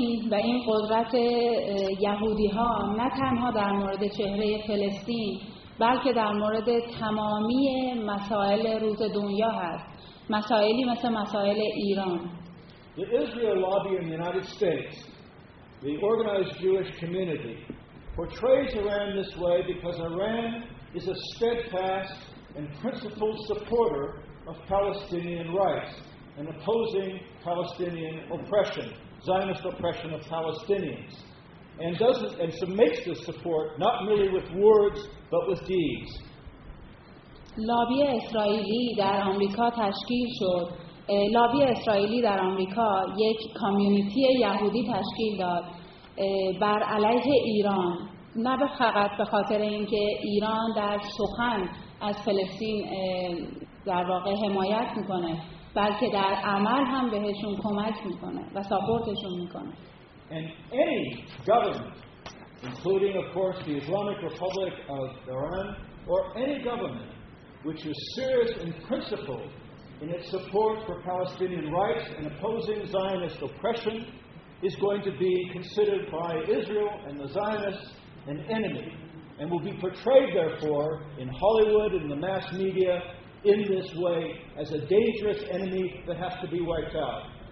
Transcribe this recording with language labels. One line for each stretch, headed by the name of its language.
Persian: و این قدرت یهودی ها نه تنها در مورد چهره فلسطین بلکه در مورد تمامی مسائل روز دنیا هست، مسائلی مثل مسائل ایران.
English: The Israel lobby in the United States, the organized Jewish community, portrays Iran this way because Iran is a steadfast and principled supporter of Palestinian rights and opposing Palestinian oppression, Zionist oppression of Palestinians, and makes this support not merely with words but with deeds.
Persian: لابی اسرائیلی در آمریکا تشکیل شد. لابی اسرائیلی در آمریکا یک کامیونیتی یهودی تشکیل داد بر علیه ایران، نه فقط به خاطر اینکه ایران در سخن از فلسطین در واقع حمایت میکنه، بلکه در عمل هم بهشون کمک میکنه و ساپورتشون میکنه.
English: And any government, including of course the Islamic Republic of Iran, or any government which is serious and principled in its support for Palestinian rights and opposing Zionist oppression is going to be considered by Israel and the Zionists an enemy and will be portrayed therefore in Hollywood and the mass media in this way as a dangerous enemy that has to be wiped out.